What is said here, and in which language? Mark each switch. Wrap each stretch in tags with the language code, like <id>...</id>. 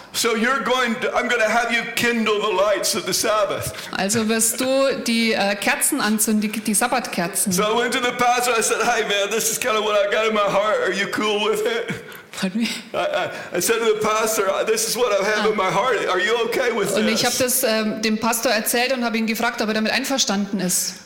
<en>So you're going to, I'm going to have you kindle the lights of the Sabbath.</en> <de>Also wirst du die Kerzen anzünden, die Sabbatkerzen.</de> <en>So I went to the pastor. I said, "Hey man, this is kind of what I got in my heart. Are you cool with it?" Pardon me. I said to the pastor, "This is what I have in my heart. Are you okay with this?"</en> <de>Und ich habe das dem Pastor erzählt und habe ihn gefragt, ob er damit einverstanden ist.</de>